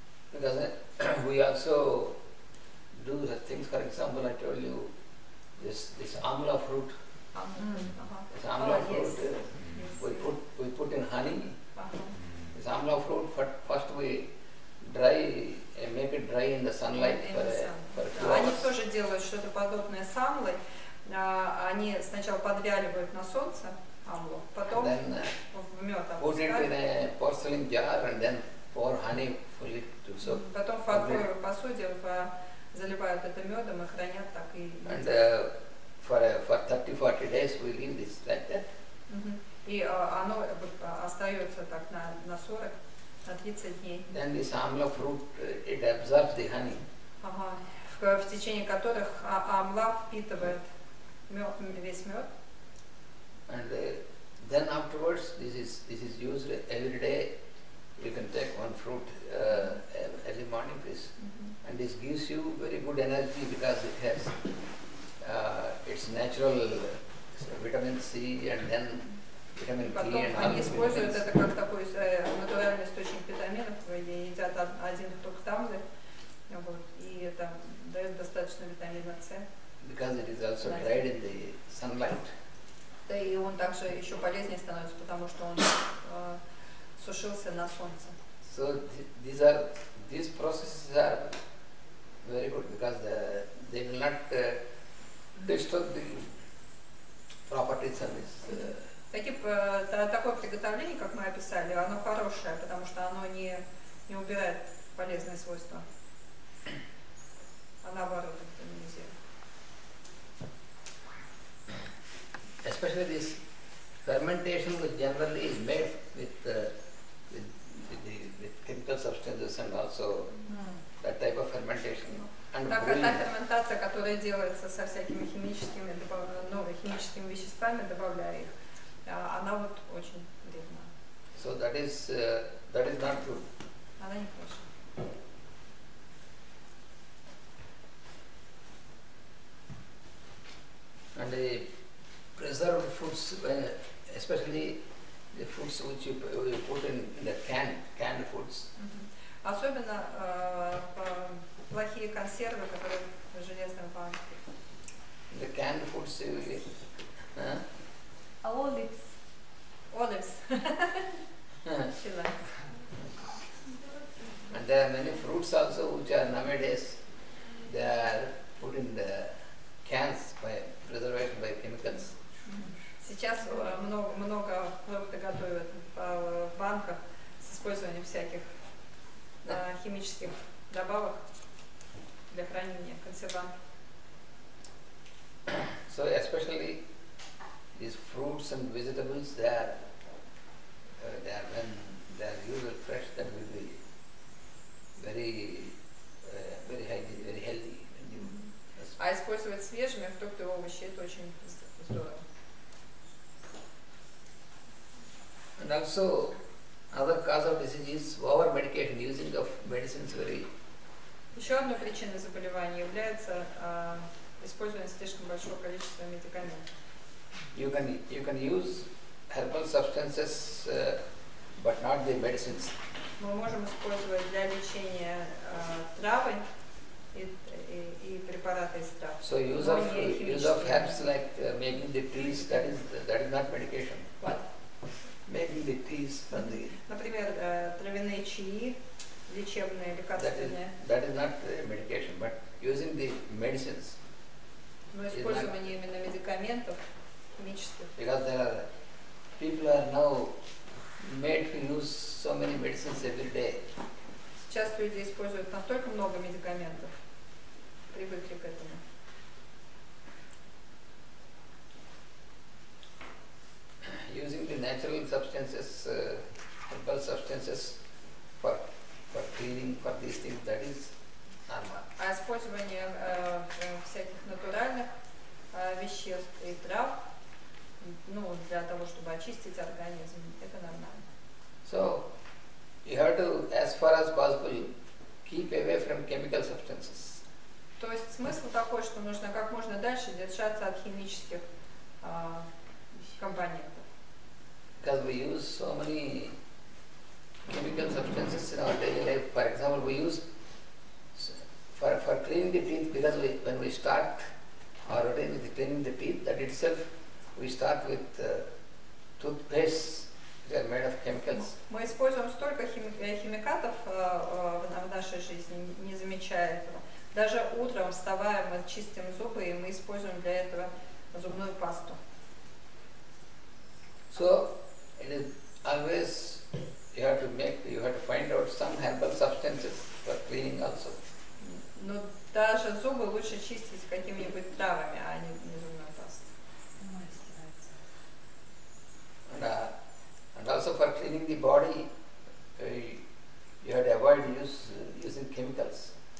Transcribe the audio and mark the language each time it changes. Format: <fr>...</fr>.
<en>Because we also do the things, for example, I told you this amla fruit. Mm-hmm. This amla fruit. Yes. we put in honey. This amla fruit, first we dry, make it dry in the sunlight for two hours.</en> <ru>Они тоже делают что-то подобное с амлой. Они сначала подвяливают на солнце амлу, потом</ru> <en>put it in a porcelain jar and then pour honey full it to soak.</en> <ru>Потом фарфоровую посуду заливают это медом и хранят так и.</ru> <en>And for 30-40 days we leave this like that.</en> <ru>И оно остается так на 40, на 30 дней.</ru> <en>Then this amla fruit, it absorbs the honey.</en> <ru>В течение которых амла впитывает весь мед.</ru> <en>And then afterwards, this is used every day. You can take one fruit every morning, please. Mm-hmm. And this gives you very good energy because it has its natural vitamin C and then vitamin</en> <ru>Потом</ru> <en>D and</en> <ru>они используют это как такой натуральный источник витаминов. Они едят один только там, и это дает достаточно витамина С.</ru> <en>Because it is also dried in the sunlight.</en> <ru>Да, и он также еще полезнее становится, потому что он сушился на солнце.</ru> <en>So these processes are very good because they will not destroy the properties of this.</en> <ru>Такое приготовление, как мы описали, оно хорошее, потому что оно не убирает полезные свойства. А наоборот, это нельзя.</ru> <en>Especially this fermentation which generally is made with chemical substances and also that type of fermentation.</en> <ru>Та ферментация, которая делается со всякими химическими, химическими веществами, добавляя их, она вот очень вредна.</ru> <en>So that is not true.</en> <ru>Она не хороша.</ru> <en>And the preserved foods, especially the foods which you put in the canned foods. Mm-hmm.</en> <ru>Особенно плохие консервы, которые в железной банке.</ru> <en>The canned foods, you eat. Olives. Olives. She likes. And there are many fruits also which are nowadays, they are put in the cans by preservation by chemicals.</en> <ru>Сейчас много фруктов готовят в банках с использованием всяких химических добавок для хранения, консервант.</ru> <en>So especially these fruits and vegetables, they are when they are used fresh, that will be very healthy, very healthy.</en> <ru>А использовать свежими фрукты и овощи, это очень здорово.</ru> <en>And also, another cause of disease is over medication, using of medicines very.</en> <ru>Еще одна причина заболевания является использование слишком большого количества медикаментов.</ru> <en>You can use herbal substances, but not the medicines.</en> <ru>Мы можем использовать для лечения травы и препараты из трав.</ru> <en>So use of herbs like making the teas, that is not medication. What? Making the teas from the.</en> <ru>Например, травяные чаи, лечебные, лекарственные.</ru> <en>That is not medication, but using the medicines.</en> <ru>Но использование именно медикаментов, химических.</ru> <en>Because people are now made to use so many medicines every day.</en> <ru>Сейчас люди используют настолько много медикаментов, привыкли к этому.</ru> <en>Using the natural substances, herbal substances for cleaning, for these things, that is normal.</en> <ru>А использование всяких натуральных веществ и трав, для того, чтобы очистить организм, это нормально.</ru> <en>So, you have to, as far as possible, keep away from chemical substances.</en> <ru>То есть смысл такой, что нужно как можно дальше держаться от химических компонентов.</ru> <en>Because we use so many chemical substances in our daily life. For example, we use for cleaning the teeth, because when we start our routine with cleaning the teeth, that itself we start with toothpaste, they are made of chemicals.</en> <ru>Мы используем столько химикатов в нашей жизни, не замечая этого. Даже утром вставая, мы чистим зубы, и мы используем для этого зубную пасту.</ru> <en>So, it is always, you have to find out some herbal substances for cleaning also.</en> <ru>Но даже зубы лучше чистить какими-нибудь травами, а не зубной пастой.</ru> <en>And also for cleaning the body, you have to avoid using chemicals.</en>